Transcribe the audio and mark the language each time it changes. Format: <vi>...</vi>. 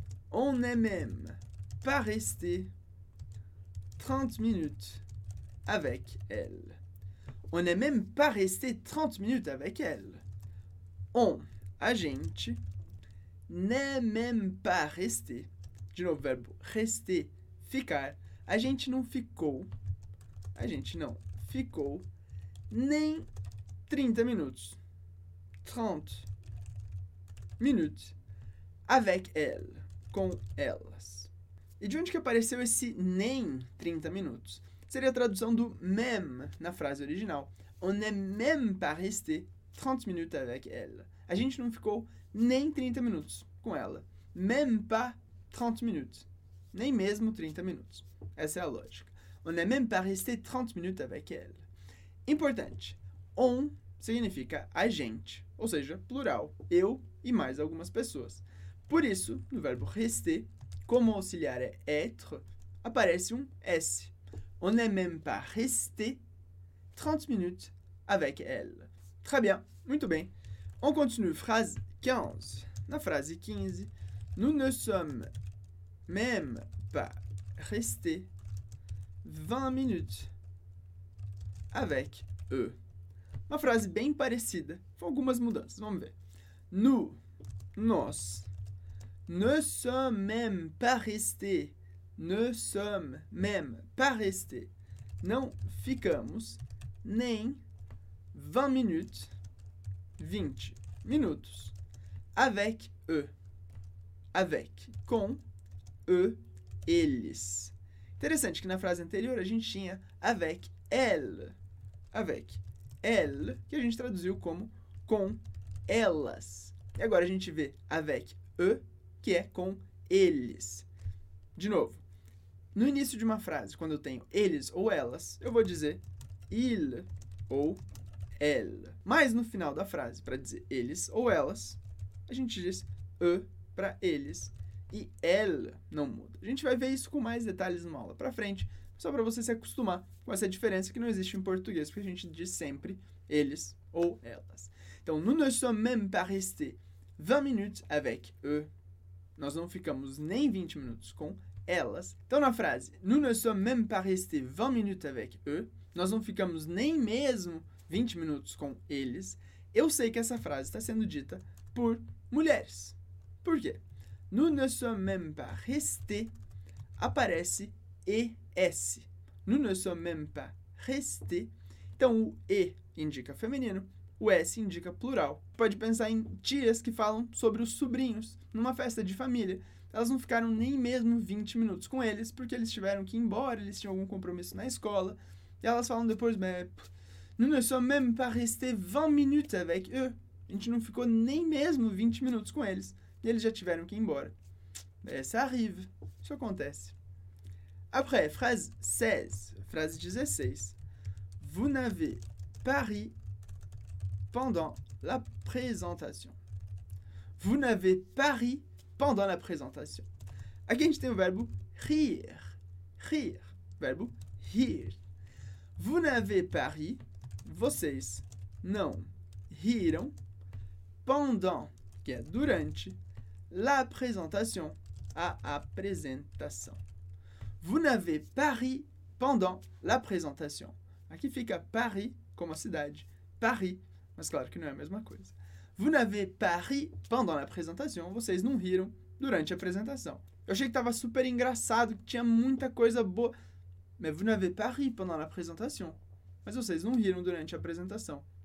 <fr>On n'est même pas resté 30 minutes avec elle. On n'est même pas resté 30 minutes avec elle. On,</fr> <pt>a gente,</pt> <fr>n'est même pas resté.</fr> <pt>De novo, verbo rester, ficar. A gente não ficou. A gente não ficou nem 30 minutos.</pt> <fr>30 minutes avec elle.</fr> <pt>Com elas. E de onde que apareceu esse nem 30 minutos? Seria a tradução do même na frase original.</pt> <fr>On n'est même pas resté 30 minutes avec elle.</fr> <pt>A gente não ficou nem 30 minutos com ela.</pt> <fr>Même pas 30 minutes.</fr> <pt>Nem mesmo 30 minutos. Essa é a lógica.</pt> <fr>On n'est même pas resté 30 minutes avec elle.</fr> <pt>Importante. On significa a gente. Ou seja, plural. Eu e mais algumas pessoas. Por isso, no verbo rester, como o auxiliar é être, aparece um S.</pt> <fr>On n'est même pas resté 30 minutes avec elle. Très bien.</fr> <pt>Muito bem.</pt> <fr>On continue, phrase 15.</fr> <pt>Na frase 15,</pt> <fr>nous ne sommes même pas restés 20 minutes avec eux.</fr> <pt>Uma frase bem parecida, com algumas mudanças. Vamos ver.</pt> <fr>Nós, ne sommes même pas restés, ne sommes même pas restés.</fr> <pt>Não ficamos nem 20 minutes. 20 minutos</pt> <fr>avec eux.</fr> <pt>avec, com, eux, eles. Interessante que na frase anterior a gente tinha avec, elle. Avec, elle, que a gente traduziu como com elas. E agora a gente vê avec, eux, que é com eles. De novo, no início de uma frase, quando eu tenho eles ou elas, eu vou dizer il ou elle. Mas no final da frase, para dizer eles ou elas, a gente diz e para eles e elle não muda. A gente vai ver isso com mais detalhes numa aula para frente, só para você se acostumar com essa diferença que não existe em português, porque a gente diz sempre eles ou elas. Então,</pt> <fr>nous ne sommes même pas restés 20 minutes avec eux.</fr> <pt>Nós não ficamos nem 20 minutos com elas. Então, na frase,</pt> <fr>nous ne sommes même pas restés 20 minutes avec eux,</fr> <pt>nós não ficamos nem mesmo 20 minutos com eles, eu sei que essa frase está sendo dita por mulheres. Por quê?</pt> <fr>Nous ne sommes même pas restés</fr> <pt>aparece ES.</pt> <fr>Nous ne sommes même pas restés.</fr> <pt>Então, o E indica feminino, o S indica plural. Pode pensar em tias que falam sobre os sobrinhos numa festa de família. Elas não ficaram nem mesmo 20 minutos com eles, porque eles tiveram que ir embora, eles tinham algum compromisso na escola. E elas falam depois,</pt> <fr>nous ne sommes même pas restés 20 minutes avec eux.</fr> <pt>A gente não ficou nem mesmo 20 minutos com eles. E eles já tiveram que ir embora.</pt> <fr>Ça arrive.</fr> <pt>Isso acontece.</pt> <fr>Après, phrase 16.</fr> <pt>Frase 16.</pt> <fr>Vous n'avez pas ri pendant la présentation. Vous n'avez pas ri pendant la présentation.</fr> <pt>Aqui a gente tem o verbo rire. Rire. Verbo rire.</pt> <fr>Vous n'avez pas ri.</fr> <pt>Vocês não riram pendant, que é durante, la présentation, a apresentação.</pt> <fr>Vous n'avez pas ri pendant la présentation.</fr> <pt>Aqui fica Paris como a cidade. Paris, mas claro que não é a mesma coisa.</pt> <fr>Vous n'avez pas ri pendant la présentation.</fr> <pt>Vocês não riram durante a apresentação. Eu achei que estava super engraçado, que tinha muita coisa boa.</pt> <fr>Mais vous n'avez pas ri pendant la présentation.</fr> <pt>Mas vocês não riram durante a apresentação.</pt>